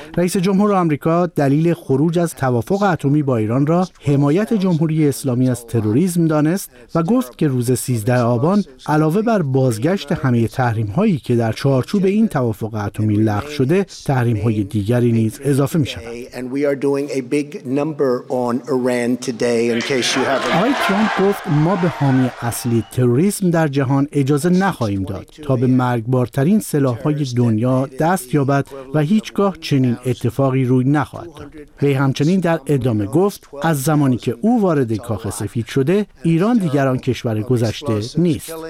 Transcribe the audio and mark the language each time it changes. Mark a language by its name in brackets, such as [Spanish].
[Persian] رئیس جمهور آمریکا دلیل خروج از توافق اتمی با ایران را حمایت جمهوری اسلامی از تروریسم دانست و گفت که روز 13 آبان علاوه بر بازگشت همه تحریم‌هایی که در چارچوب این توافق اتمی لغو شده، تحریم‌های دیگری نیز اضافه می‌شود. [English] And we are doing a big number on Iran today in case you haven't. [Persian] آقای ترامپ گفت ما به حامی اصلی تروریسم در جهان اجازه نخواهیم داد تا به مرگبارترین سلاح‌های دنیا دست یابد و هیچگاه چنین اتفاقی روی نخواهد داد. وی همچنین در ادامه گفت از زمانی که او وارد کاخ سفید شده، ایران دیگر آن کشور گذشته نیست.